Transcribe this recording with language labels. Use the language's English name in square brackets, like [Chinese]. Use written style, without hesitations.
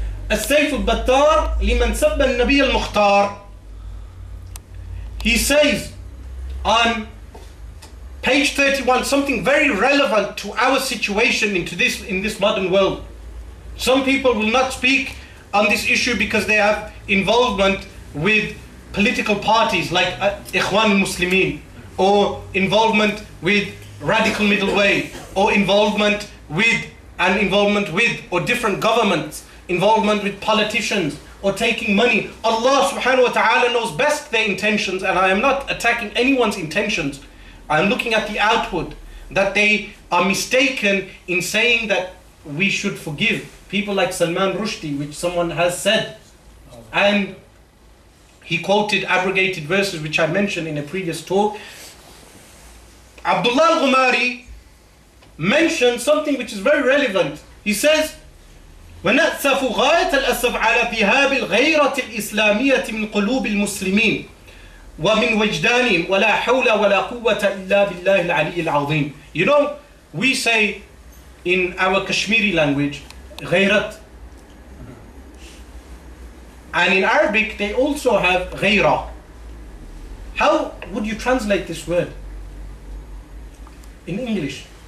[Arabic] السيف البتار لمن سب النبي المختار. [English] He says on page 31 something very relevant to our situation in this modern world. Some people will not speak on this issue because they have involvement with political parties like Ikhwan al-Muslimin, or involvement with radical middle way, or involvement with or different governments, involvement with politicians or taking money. Allah subhanahu wa ta'ala knows best their intentions, and I am not attacking anyone's intentions. I am looking at the outward, that they are mistaken in saying that we should forgive people like Salman Rushdie, which someone has said. And he quoted abrogated verses which I mentioned in a previous talk. Abdullah al-Ghumari mentioned something which is very relevant. He says, [Arabic] ونأسف غاية الأسف على ذهاب الغيرة الإسلامية من قلوب المسلمين ومن وجدانهم ولا حول ولا قوة إلا بالله العلي العظيم. [English] You know, we say in our Kashmiri language, غيرت. And in Arabic, they also have غيرة. How would you translate this word in English?